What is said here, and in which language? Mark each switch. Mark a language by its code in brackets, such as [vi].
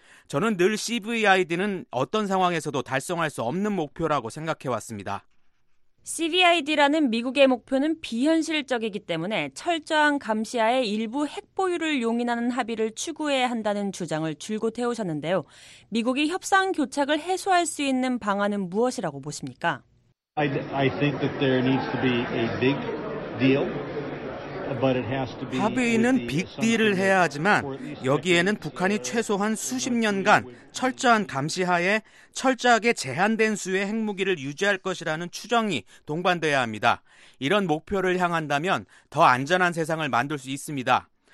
[ko] 저는 늘 CVID는 어떤 상황에서도 달성할 수 없는 목표라고 생각해왔습니다. CVID라는 미국의 목표는 비현실적이기 때문에 철저한 감시하에 일부 핵 보유를 용인하는 합의를 추구해야 한다는 주장을 줄곧 해오셨는데요. 미국이 협상 교착을 해소할 수 있는 방안은 무엇이라고 보십니까? [en] I think that there needs to be a big deal. [ko] 합의는 빅딜을 해야 하지만 여기에는 북한이 최소한 수십 년간 철저한 감시하에 철저하게 제한된 수의 핵무기를 유지할 것이라는 추정이 동반돼야 합니다. 이런 목표를 향한다면 더 안전한 세상을 만들 수 있습니다.